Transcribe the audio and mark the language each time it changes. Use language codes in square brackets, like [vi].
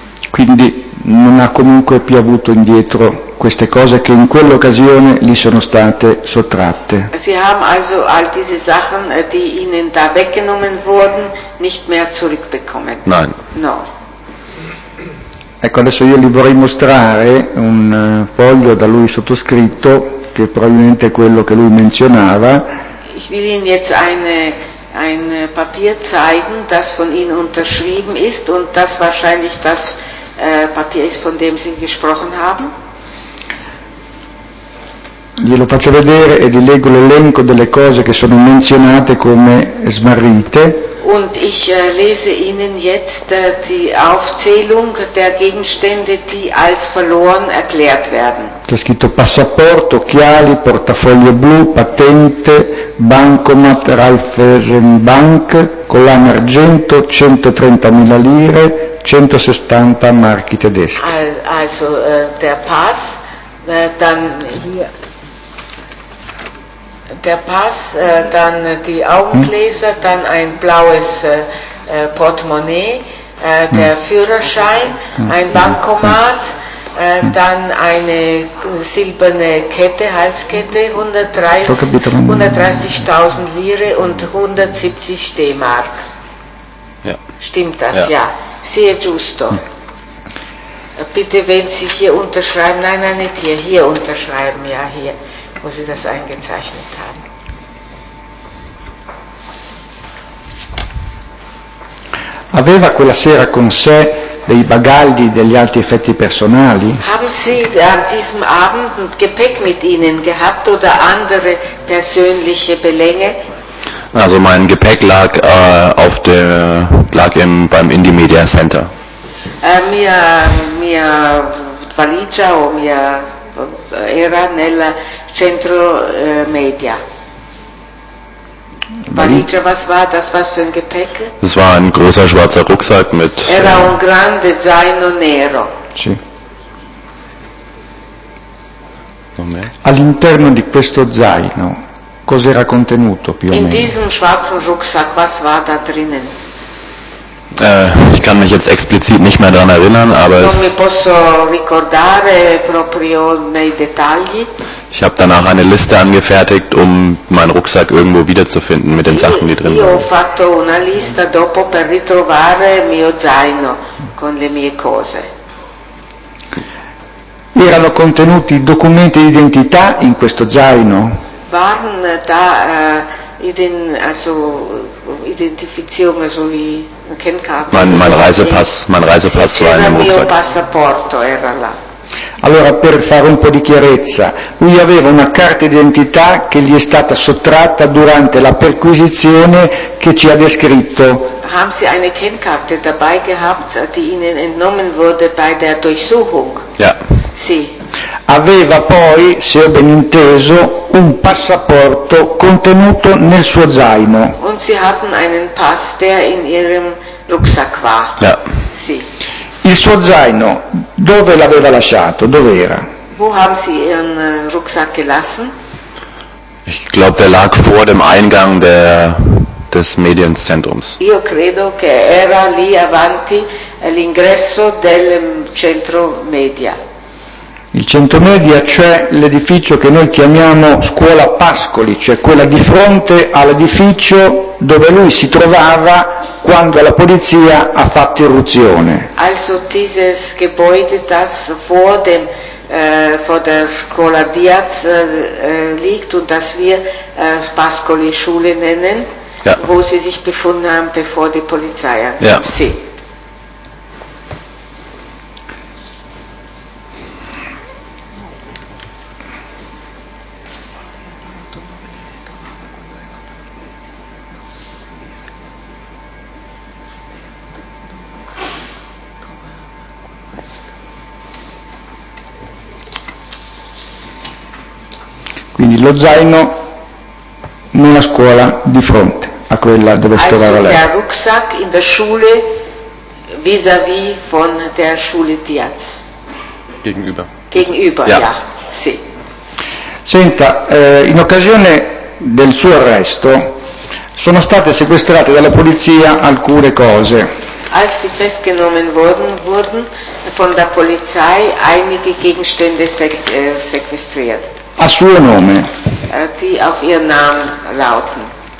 [it] Quindi non ha comunque più avuto indietro queste cose che in quell'occasione gli sono state sottratte. [de] Sie haben also all diese Sachen, die ihnen da weggenommen wurden, nicht mehr zurückbekommen. Nein. [it] No. Ecco, adesso io gli vorrei mostrare un foglio da lui sottoscritto, che è probabilmente quello che lui menzionava. [de] Ich will Ihnen jetzt ein Papier zeigen, das von Ihnen unterschrieben ist und das wahrscheinlich das Papier ist, von dem Sie gesprochen haben. [it] Glielo faccio vedere e gli leggo l'elenco delle cose che sono menzionate come smarrite. [de] Und ich lese Ihnen jetzt die Aufzählung der Gegenstände, die als verloren erklärt werden. [it] C'è scritto passaporto, occhiali, portafoglio blu, patente, bancomat, Raiffeisenbank, collana argento, 130.000 lire, 160 marchi tedeschi. [de] Also der Pass, dann hier. Der Pass, dann die Augengläser, dann ein blaues Portemonnaie, der Führerschein, ein Bankomat, dann eine silberne Kette, Halskette, 130.000 Lire und 170 D-Mark. Ja. Stimmt das? Ja. Sehr giusto. Bitte, wenn Sie hier unterschreiben, nein, nicht hier, hier unterschreiben, ja, hier, wo Sie das eingezeichnet haben. [it] Aveva quella sera con sé dei bagagli, degli altri effetti personali? [de] Haben Sie an diesem Abend ein Gepäck mit Ihnen gehabt oder andere persönliche Belänge? Also mein Gepäck lag auf der lag im beim Indie Media Center. [it] Mia valigia o mia era nel centro media. [de] Valigia, was war das? Was für ein Gepäck? Es war ein großer schwarzer Rucksack mit. [it] Era un grande zaino nero. Sì. All'interno di questo zaino cos'era contenuto più o meno? [de] In diesem schwarzen Rucksack, was war da drinnen? Ich kann mich jetzt explizit nicht mehr daran erinnern, aber [it] non mi posso ricordare proprio nei dettagli. [de] Ich habe danach eine Liste angefertigt, um meinen Rucksack irgendwo wiederzufinden mit den Sachen, die drin waren. [it] Io ho fatto una lista dopo per ritrovare mio zaino con le mie cose. Erano contenuti documenti d'identità in questo zaino? [de] Waren da Identifizierung, also wie Kennkarte. Mein Reisepass war in dem Rucksack. [it] Mio passaporto era là. Allora, per fare un po' di chiarezza, lui aveva una carta d'identità che gli è stata sottratta durante la perquisizione che ci ha descritto. [de] Haben Sie eine Kennkarte dabei gehabt, die Ihnen entnommen wurde bei der Durchsuchung? Ja. [it] Sì. Aveva poi, se ho ben inteso, un passaporto contenuto nel suo zaino. [de] Und Sie hatten einen Pass, der in Ihrem Rucksack war. Ja. [it] Sì. Il suo zaino, dove l'aveva lasciato? Dov'era? [de] Wo haben Sie Ihren Rucksack gelassen? Ich glaube, der lag vor dem Eingang des Medienzentrums. [it] Io credo che era lì avanti all'ingresso del centro media. Il centro media, cioè l'edificio che noi chiamiamo Scuola Pascoli, cioè quella di fronte all'edificio dove lui si trovava quando la polizia ha fatto irruzione. [de] Also dieses Gebäude, das vor der Scuola Diaz liegt und das wir Pascoli Schule nennen, ja. Wo sie sich befunden haben, bevor die Polizei ankam. Ja. [it] Sì. Quindi lo zaino nella scuola di fronte a quella dove stavamo lei. [de] Also der Rucksack in der Schule vis-à-vis von der Schule Diaz. Gegenüber. Gegenüber, ja. Ja. Sì. [it] Senta, in occasione del suo arresto sono state sequestrate dalla polizia alcune cose. [de] Als sie festgenommen wurden von der Polizei einige Gegenstände sequestriert. [it] A suo nome. [de] Die auf ihren Namen lauten.